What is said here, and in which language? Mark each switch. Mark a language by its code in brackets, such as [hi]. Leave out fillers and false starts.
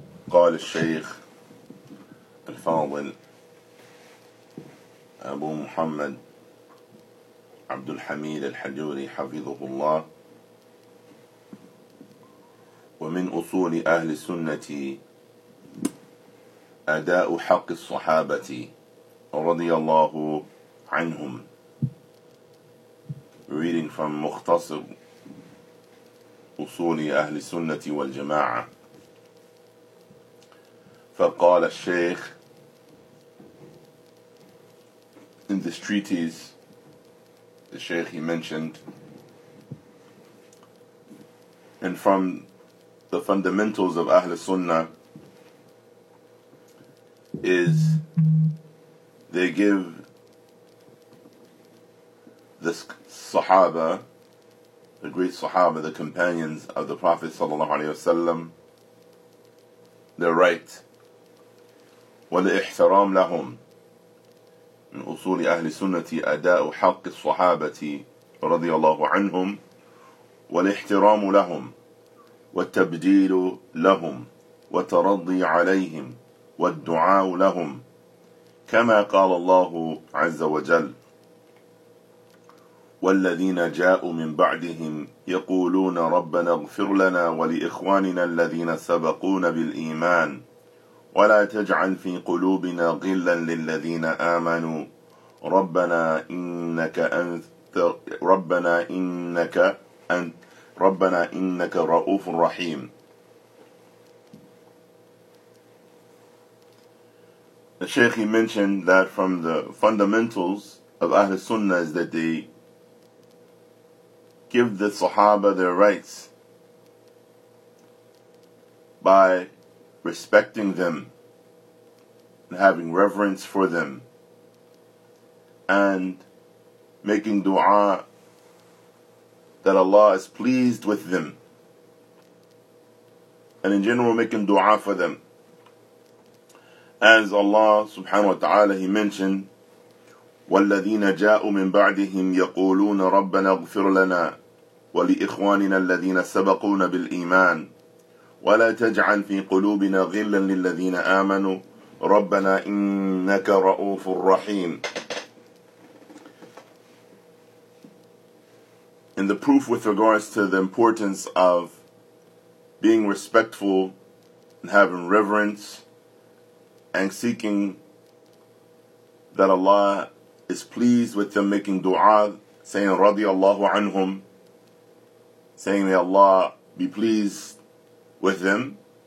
[ar] قال الشيخ الفاضل أبو محمد عبد الحميد الحجوري حفظه الله: ومن أصول أهل السنة أداء حق الصحابة رضي الله عنهم. [en] Reading from مختصر أصول أهل السنة والجماعة. [ar] فقال الشيخ: [en] In this treatise, the Shaykh, he mentioned, and from the fundamentals of Ahl Sunnah is they give the Sahaba, the great Sahaba, the companions of the Prophet sallallahu alaihi wasallam, their right. [ar] والإحترام لهم من أصول أهل سنة أداء حق الصحابة رضي الله عنهم والإحترام لهم والتبجيل لهم والترضي عليهم والدعاء لهم كما قال الله عز وجل: والذين جاءوا من بعدهم يقولون ربنا اغفر لنا ولإخواننا الذين سبقونا بالإيمان ولا تجعل في قلوبنا غلا للذين آمنوا ربنا إنك رؤوف رحيم. [en] The Shaykh, he mentioned that from the fundamentals of Ahl Sunnah is that they give the Sahaba their rights by respecting them and having reverence for them and making dua that Allah is pleased with them, and in general making dua for them. As Allah subhanahu wa ta'ala, he mentioned, [ar] وَالَّذِينَ جَاءُوا مِن بَعْدِهِمْ يَقُولُونَ رَبَّنَا اغْفِرْ لَنَا وَلِإِخْوَانِنَا الَّذِينَ سَبَقُونَ بِالْإِيمَانِ ولا تجعل في قلوبنا غلا للذين آمنوا ربنا إنك رؤوف رحيم. [en] In the proof with regards to the importance of being respectful and having reverence and seeking that Allah is pleased with them, making dua, saying [ar] رضي الله عنهم, [en] saying may Allah be pleased with them,